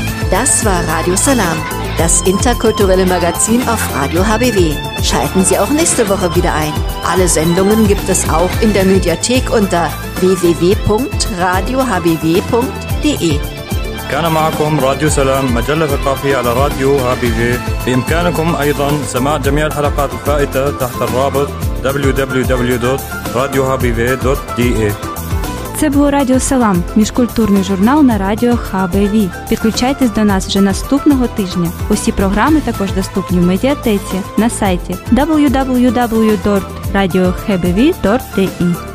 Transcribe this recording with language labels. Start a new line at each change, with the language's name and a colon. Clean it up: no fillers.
German: Das war Radio Salam, das interkulturelle Magazin auf Radio HBW. Schalten Sie auch nächste Woche wieder ein. Alle Sendungen gibt es auch in der Mediathek unter www.radiohbw.de.
Arabic: كان معكم راديو سلام مجلة ثقافية على راديو هابي في بإمكانكم أيضا سماع جميع الحلقات الفائتة تحت الرابط www.radiohbv.de
Ukrainian: Це був Радіо Салам, міжкультурний журнал на радіо HBV. Підключайтесь до нас вже наступного тижня. Усі програми також доступні в медіатеці на сайті www.radiohbv.de.